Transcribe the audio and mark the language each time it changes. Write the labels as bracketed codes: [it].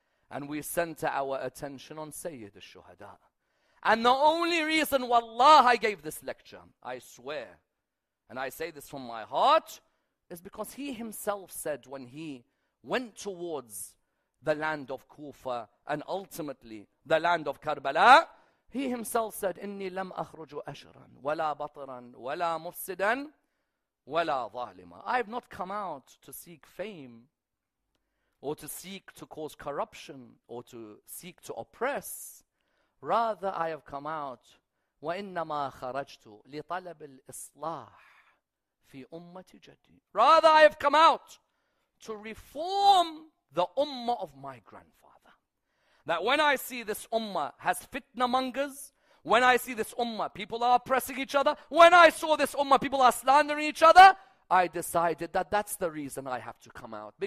[en] And we center our attention on Sayyid al-Shuhada. And the only reason, wallah, I gave this lecture, I swear, and I say this from my heart, is because he himself said when he went towards the land of Kufa and ultimately the land of Karbala, he himself said, "Inni lam akhruju ashran, wala bataran, wala mufsidan, wala zalima." I have not come out to seek fame or to seek to cause corruption or to seek to oppress. [ar] Rather, I have come out, وَإِنَّمَا خَرَجْتُ لِطَلَبِ الْإِصْلَاحِ في أمتي جدي. [en] Rather, I have come out to reform the ummah of my grandfather. That when I see this ummah has fitna mongers, when I see this ummah people are oppressing each other, when I saw this ummah people are slandering each other, I decided that that's the reason I have to come out.